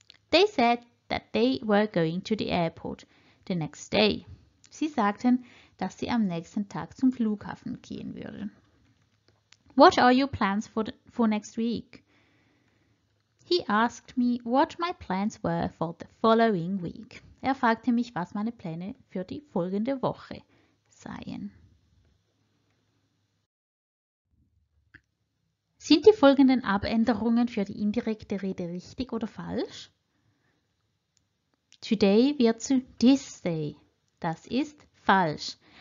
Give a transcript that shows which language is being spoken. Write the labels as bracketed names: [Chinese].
[English] They said that they were going to the airport the next day. [German] Sie sagten, dass sie am nächsten Tag zum Flughafen gehen würden. [English] What are your plans for next week? He asked me what my plans were for the following week. [German] Er fragte mich, was meine Pläne für die folgende Woche seien. Sind die folgenden Abänderungen für die indirekte Rede richtig oder falsch? Today wird zu [English] this day. [German] Das ist falsch.